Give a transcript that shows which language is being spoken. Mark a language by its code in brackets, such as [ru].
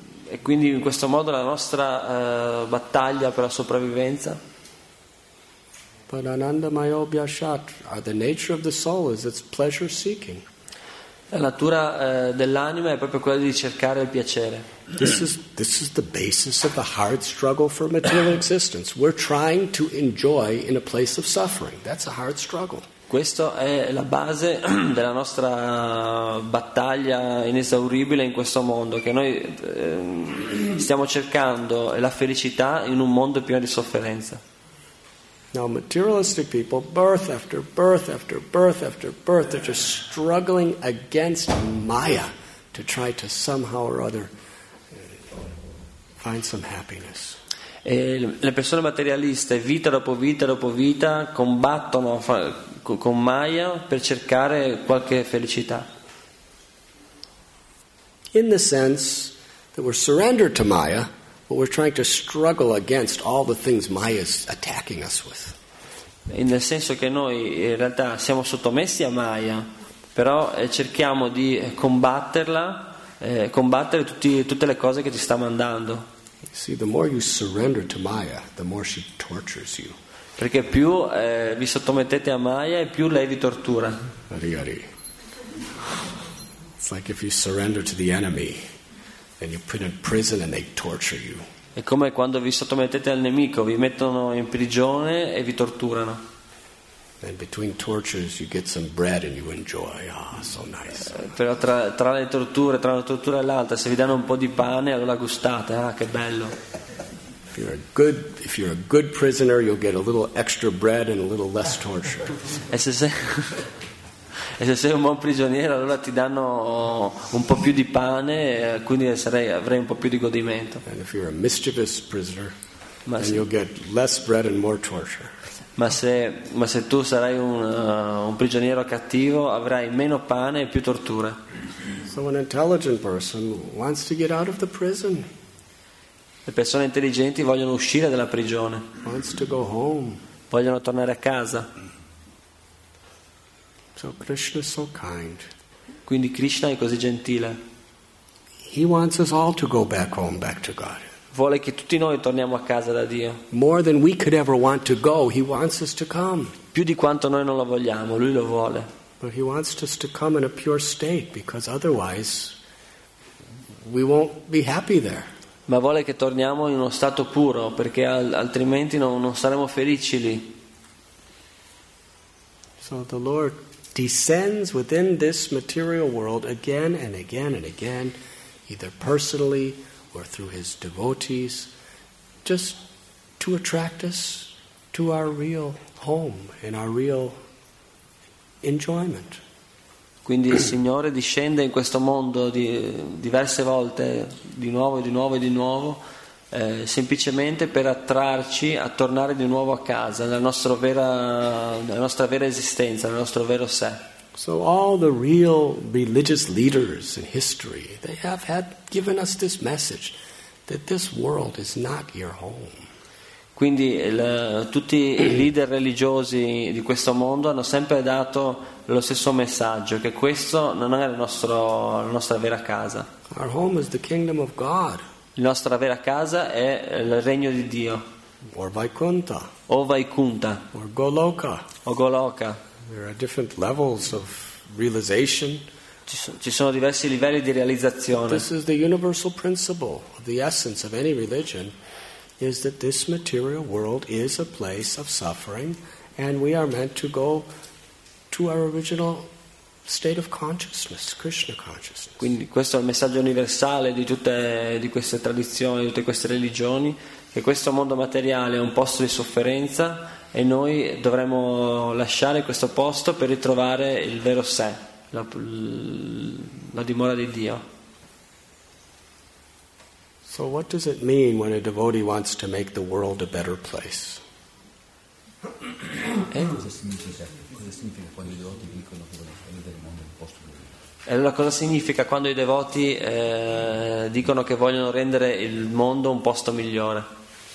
[it] E quindi in questo modo la nostra battaglia per la sopravvivenza. [en] But anandamaya bhyashat, the nature of the soul is its pleasure seeking. [it] La natura dell'anima è proprio quella di cercare il piacere. [en] This is the basis of the hard struggle for material existence. We're trying to enjoy in a place of suffering. That's a hard struggle. [it] Questo è la base della nostra battaglia inesauribile in questo mondo, che noi stiamo cercando la felicità in un mondo pieno di sofferenza. [en] Now materialistic people, birth after birth after birth after birth, they're just struggling against Maya to try to somehow or other find some happiness. [it] E le persone materialiste, vita dopo vita dopo vita, combattono con Maya per cercare qualche felicità. [en] In the sense that we're surrendered to Maya, but we're trying to struggle against all the things Maya is attacking us with. [it] Nel senso che noi in realtà siamo sottomessi a Maya, però cerchiamo di combatterla, combattere tutte le cose che ci sta mandando. [en] See, the more you surrender to Maya, the more she tortures you. [it] Perché più vi sottomettete a Maya e più lei vi tortura. Arì, arì. [en] It's like if you surrender to the enemy and you put in prison and they torture you. [it] È come quando vi sottomettete al nemico, vi mettono in prigione e vi torturano. [en] And between tortures you get some bread and you enjoy. Ah, so nice. [it] Però tra le torture, tra una tortura e l'altra, se vi danno un po' di pane, allora gustate. Ah, che bello. [en] If you're a good prisoner, you'll get a little extra bread and a little less torture. [it] E se sei un buon prigioniero, allora ti danno un po' più di pane, quindi avrei un po' più di godimento. [en] And if you're a mischievous prisoner, then you'll get less bread and more torture. [it] Ma se tu sarai un prigioniero cattivo, avrai meno pane e più torture. [en] So an intelligent person wants to get out of the prison. [it] Le persone intelligenti vogliono uscire dalla prigione. [en] Wants to go home. [it] Vogliono tornare a casa. [en] So Krishna is so kind. [it] Quindi Krishna è così gentile. [en] He wants us all to go back home, back to God. [it] Vuole che tutti noi torniamo a casa da Dio. [en] More than we could ever want to go, he wants us to come. [it] Più di quanto noi non lo vogliamo, lui lo vuole. [en] But he wants us to come in a pure state, because otherwise we won't be happy there. [it] Ma vuole che torniamo in uno stato puro, perché altrimenti non saremo felici lì. [en] So the Lord descends within this material world again and again and again, either personally or through his devotees, just to attract us to our real home and our real enjoyment. [it] Quindi il Signore discende in questo mondo diverse volte, di nuovo e di nuovo e di nuovo, semplicemente per attrarci a tornare di nuovo a casa, nella nostra vera esistenza, nel nostro vero sé. [en] So all the real religious leaders in history, they have had given us this message that this world is not your home. [it] Quindi tutti i leader religiosi di questo mondo hanno sempre dato lo stesso messaggio, che questo non è la nostra vera casa. [en] Our home is the kingdom of God. [it] La nostra vera casa è il regno di Dio. [en] Or Vaikuntha. [it] O Vaikuntha. [en] Or Goloka. [it] O Goloka. [en] There are different levels of realization. [it] Ci sono diversi livelli di realizzazione. [en] This is the universal principle, the essence of any religion, is that this material world is a place of suffering, and we are meant to go to our original state of consciousness, Krishna consciousness. [it] Quindi questo è il messaggio universale di tutte di queste tradizioni, di tutte queste religioni, che questo mondo materiale è un posto di sofferenza. E noi dovremmo lasciare questo posto per ritrovare il vero sé, la dimora di Dio. [en] So what does it mean when a devotee wants to make the world a better place? [it] Cosa significa quando i devoti dicono che vogliono rendere il mondo un posto migliore?